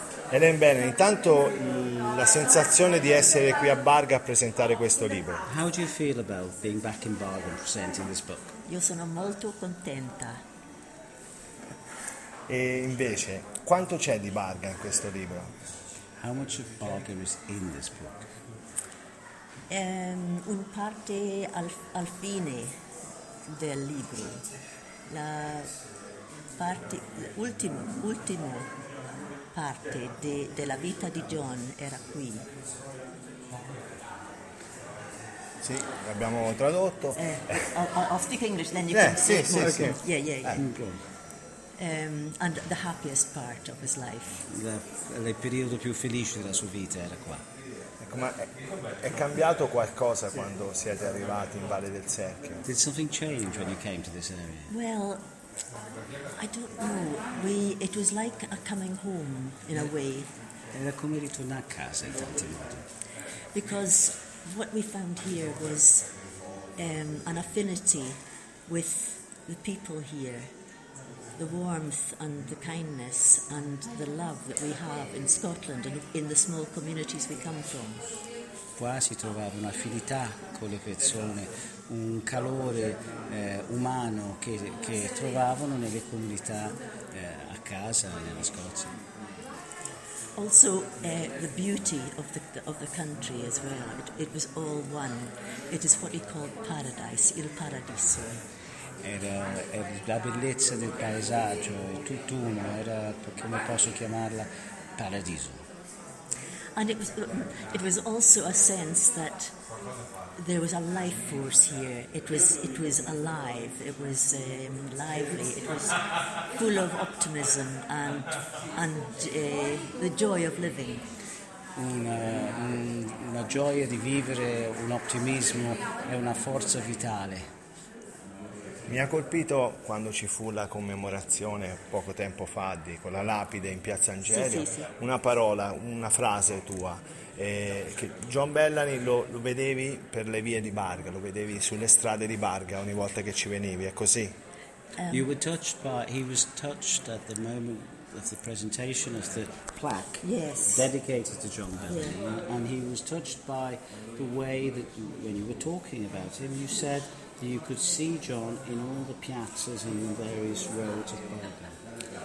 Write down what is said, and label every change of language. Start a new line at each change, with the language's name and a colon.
Italian: Bene, intanto la sensazione di essere qui a Barga a presentare questo libro.
English: How do you feel about being back in Barga presenting this book?
Italian: Io sono molto contenta. E invece, quanto c'è di Barga in questo libro?
English: How much of Barga is in this book?
Italian: Un parte al fine del libro. La parte ultimo parte della vita di John era qui. Sì, l'abbiamo tradotto.
English: I'll speak English, then you can see.
Italian: Sì, sì, okay.
English: And the happiest part of his life.
Italian: Il periodo più felice della sua vita era qua. Ecco, ma è cambiato qualcosa quando siete arrivati in Valle del Secchio? Did something change when you came to this area?
English: Well, I don't know. It was like a coming home in a way.
Italian: Era come ritornare a casa in tanti modi.
English: Because what we found here was an affinity with the people here, the warmth and the kindness and the love that we have in Scotland and in the small communities we come from.
Italian: Qua si trovava un'affinità con le persone, un calore umano che trovavano nelle comunità a casa nella Scozia.
English: Also the beauty of the country as well. It was all one. It is what we call paradise, il paradiso.
Italian: Era la bellezza del paesaggio, tutt'uno, era, come posso chiamarla, paradiso.
English: And it was also a sense that there was a life force here. It was alive. It was lively. It was full of optimism and the joy of living.
Italian: Una gioia di vivere, un ottimismo e una forza vitale. Mi ha colpito quando ci fu la commemorazione poco tempo fa di con la lapide in Piazza Angelo. Sì, sì, sì. Una parola, una frase tua. Che John Bellany lo vedevi per le vie di Barga, lo vedevi sulle strade di Barga ogni volta che ci venivi, è così?
English: You were touched by, he was touched at the moment of the presentation of the plaque, yes, dedicated to John Bellany, yeah. And he was touched by the way that you, when you were talking about him, you said that you could see John in all the piazzas and in various roads of Barga.